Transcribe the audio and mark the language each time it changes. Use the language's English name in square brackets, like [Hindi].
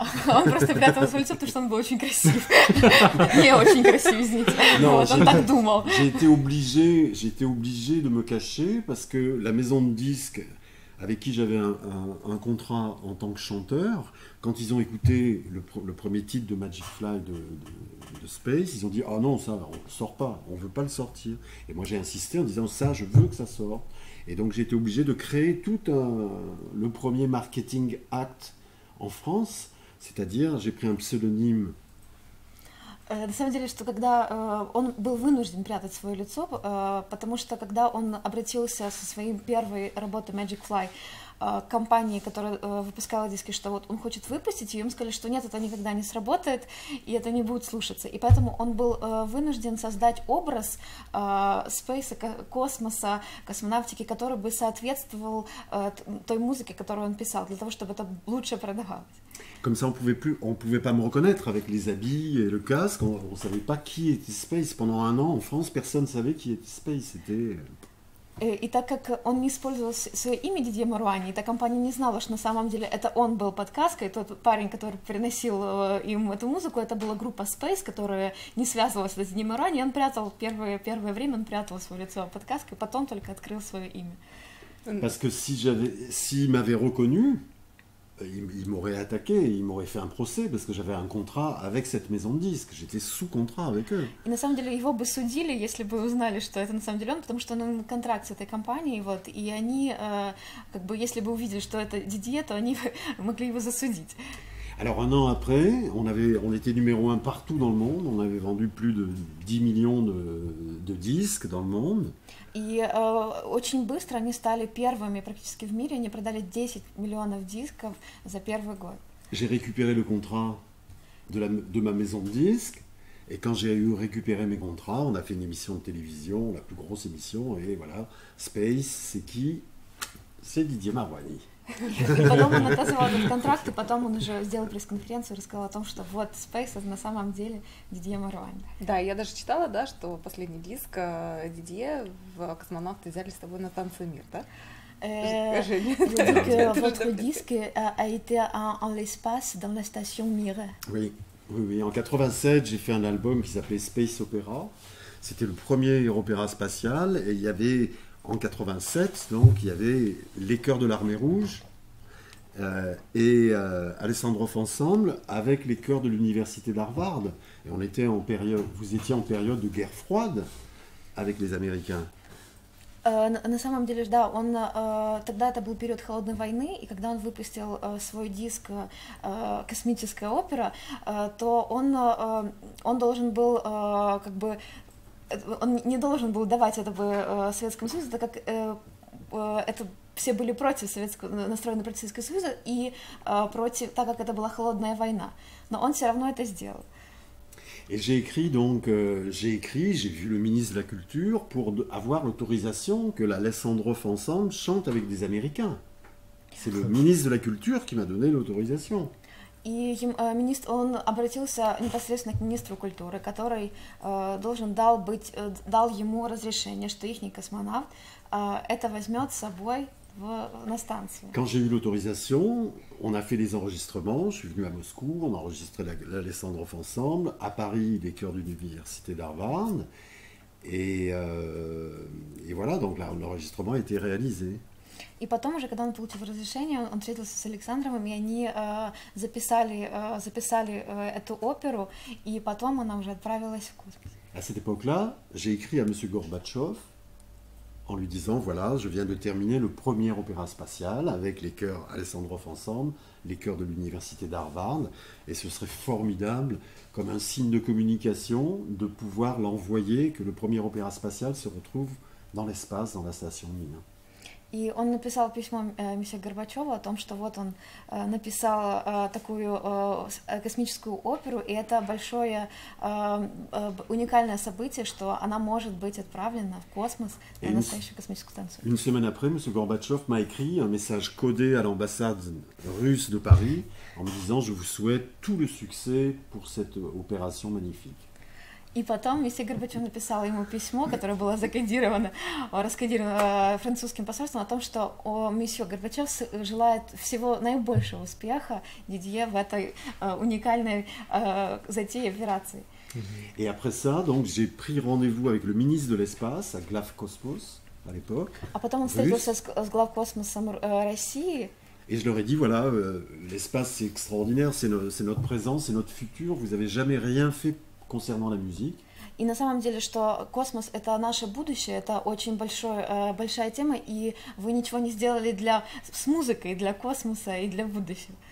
[Russian] Он просто прятал свое лицо, потому что он был очень красив. Не очень красив, извините. [French] Non, [Russian] вот, он так думал. [French] J'ai été obligé de me cacher parce que la maison de disques avec qui j'avais un contrat en tant que chanteur, quand ils ont écouté le premier titre de Magic Fly de Space, ils ont dit « Ah non, ça, on ne le sort pas, on ne veut pas le sortir. » Et moi, j'ai insisté en disant « Ça, je veux que ça sorte. » Et donc, j'ai été obligé de créer tout le premier marketing act en France, c'est-à-dire j'ai pris un pseudonyme. [Russian] На самом деле, что когда он был вынужден прятать свое лицо, потому что когда он обратился со своей первой работой Magic Fly к компании, которая выпускала диски, что вот он хочет выпустить, и ему сказали, что нет, это никогда не сработает, и это не будет слушаться. И поэтому он был вынужден создать образ спейса, космоса, космонавтики, который бы соответствовал той музыке, которую он писал, для того, чтобы это лучше продавалось. [French] Comme ça, on pouvait pas me reconnaître avec les habits et le casque. On savait pas qui était Space. Pendant un an, en France, personne ne savait qui était Space. [Russian] И так как он не использовал свое имя Дидье Маруани, эта компания не знала, что на самом деле это он был под каской, тот парень, который приносил им эту музыку, это была группа Space, которая не связывалась с Дидье Маруани, он прятал первое время, он прятал свое лицо под каской, потом только открыл свое имя. [French] Parce que s'il m'avait reconnu, il m'aurait attaqué, il m'aurait fait un procès parce que j'avais un contrat avec cette maison de disques. J'étais sous contrat avec eux. Et [Russian] на самом деле его бы судили, если бы узнали, что это на самом деле он, потому что он контракт с этой компанией вот, и они как бы если бы увидели, что это Didier, то они могли его засудить. [French] Alors un an après, on était numéro un partout dans le monde. On avait vendu plus de 10 millions de disques dans le monde. [Russian] И очень быстро они стали первыми практически в мире. Они продали 10 миллионов дисков за первый год. [French] J'ai récupéré le contrat de ma maison de disques. Et quand j'ai eu récupéré mes contrats, on a fait une émission de télévision, la plus grosse émission. Et voilà, Space, c'est qui? C'est Didier Marouani. [Russian] И потом он отозвал этот контракт, и потом он уже сделал пресс-конференцию и рассказал о том, что вот Space это на самом деле Дидье Маруани. Да, я даже читала, да, что последний диск Дидье в «Космонавты» взяли с тобой на «Танцы мир», да? [French] Женя, votre disque a été en l'espace dans la station Mir. Oui, oui, oui. En 87, j'ai fait un album qui s'appelait Space Opera. C'était le premier opéra spatial et il y avait en 87, donc, il y avait les chœurs de l'Armée Rouge et Alessandrov Ensemble avec les chœurs de l'Université d'Harvard. Et on était en période, vous étiez en période de guerre froide avec les Américains. [Russian] На самом деле, да, он тогда это был период холодной войны, и когда он выпустил свой диск «Космическая опера», то он должен был как бы он не должен был давать это бы Советскому Союзу, так как это все были против Советского, настроены против Советского Союза и против, так как это была холодная война, но он все равно это сделал. [French] Et j'ai écrit donc, j'ai vu le ministre de la Culture pour avoir l'autorisation que la Alessandrov Ensemble chante avec des Américains. C'est le ministre de la Culture qui m'a donné l'autorisation. [Russian] И министр, он обратился непосредственно к министру культуры, который дал ему разрешение, что ихний космонавт это возьмет с собой на станцию. [French] Quand j'ai eu l'autorisation, on a fait des enregistrements. Je suis venu à Moscou, on a enregistré l'Alessandrov Ensemble à Paris, les chœurs de l'université d'Harvard, et voilà, donc l'enregistrement a été réalisé. [Russian] И потом уже, когда он получил разрешение, он встретился с Александровым, и они записали эту оперу, и потом она уже отправилась в космос. [French] À cette époque-là, j'ai écrit à M. Gorbatchev en lui disant, voilà, je viens de terminer le premier opéra spatial avec les chœurs Alessandrov Ensemble, les chœurs de l'Université d'Harvard, et ce serait formidable comme un signe de communication de pouvoir l'envoyer, que le premier opéra spatial se retrouve dans l'espace, dans la station Mir. [Russian] И он написал письмо месье Горбачёву о том, что вот он написал такую космическую оперу, и это большое уникальное событие, что она может быть отправлена в космос на [French] et [Russian] настоящую космическую станцию. [French] Une semaine après, monsieur Gorbatchev m'a écrit un message codé à l'ambassade russe de Paris en me disant: «Je vous souhaite tout le succès pour cette opération magnifique». [Russian] И потом месье Горбачёв написал ему письмо, которое было раскодировано французским посольством, о том, что месье Горбачёв желает всего наибольшего успеха Дидье в этой уникальной затее операции. [French] Et après ça, donc, j'ai pris rendez-vous avec le ministre de l'espace à Главкосмос à l'époque. [Russian] А потом он встретился с Главкосмосом России. [French] Et je leur ai dit: «Voilà, l'espace c'est extraordinaire, c'est notre présent, c'est notre futur. Vous avez jamais rien fait concernant la musique». [Russian] И на самом деле, что космос — это наше будущее, это очень большая тема, и вы ничего не сделали для с музыкой, для космоса и для будущего.